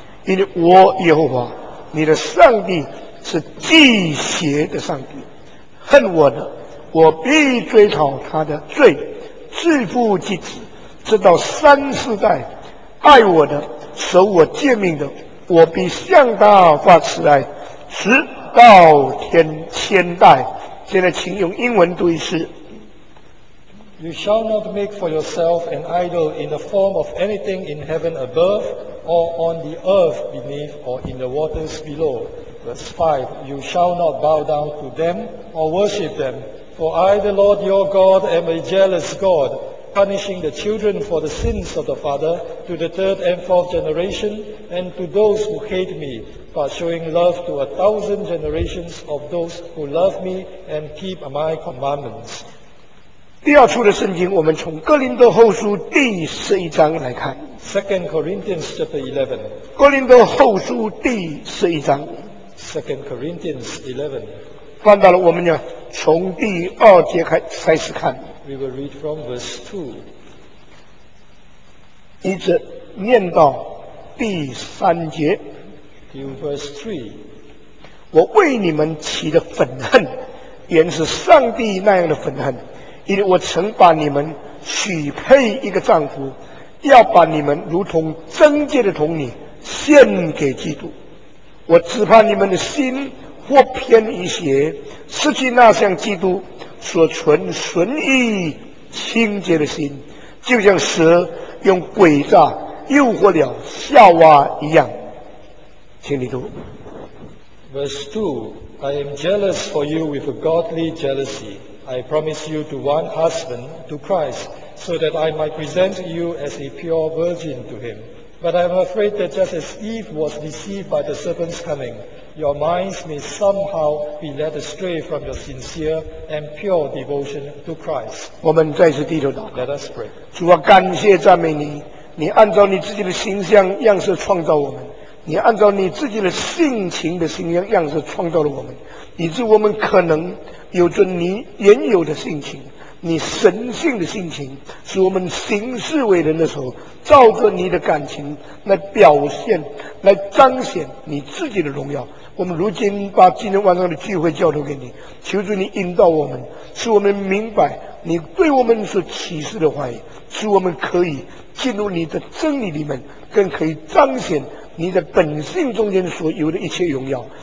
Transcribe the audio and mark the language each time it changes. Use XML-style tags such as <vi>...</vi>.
<zh>因为我耶和华你的上帝是祭邪的上帝，恨我的，我必追讨他的罪，自负及子，直到三世代。爱我的，守我诫命的，我必向他发慈爱，直到天千代。现在请用英文读一次。</zh> <en>You shall not make for yourself an idol in the form of anything in heaven aboveor on the earth beneath or in the waters below. Verse 5, you shall not bow down to them or worship them. For I, the Lord your God, am a jealous God, punishing the children for the sins of the father to the third and fourth generation and to those who hate me, but showing love to a thousand generations of those who love me and keep my commandments.</en> <zh>第二处的圣经，我们从哥林多后书第十一章来看。</zh> <en>Second Corinthians chapter 11.</en> <zh>哥林多后书第十一章。</zh> <en>Second Corinthians 11.</en> <zh>翻到了，我们要从第二节开始看。</zh> <en>We will read from verse 2.</en> <zh>一直念到第三节。</zh> <en>In verse 3.</en> <zh>我为你们起的愤恨，原是上帝那样的愤恨，因为我曾把你们许配一个丈夫。要把你们如同贞洁的童女献给基督，我只怕你们的心或偏一些，失去那像基督所存纯义清洁的心，就像蛇用诡诈诱惑了夏娃一样。请你读。</zh> <en>Verse 2, I am jealous for you with a godly jealousy. I promise you to one husband, to Christ. So that I might present you as a pure virgin to him. But I am afraid that just as Eve was deceived by the serpent's cunning, your minds may somehow be led astray from your sincere and pure devotion to Christ.</en> <zh>我们再次低头祷</zh> <en>告。Let us pray.</en> <zh>主啊，感谢赞美你，你按照你自己的形象样式创造我们，你按照你自己的性情的形象样式创造了我们，以致我们可能有着你原有的性情。你神性的性情使我们行事为人的时候照着你的感情来表现来彰显你自己的荣耀，我们如今把今天晚上的聚会交托给你，求主你引导我们，使我们明白你对我们所启示的话语，使我们可以进入你的真理里面，更可以彰显你的本性中间所有的一切荣耀。</zh>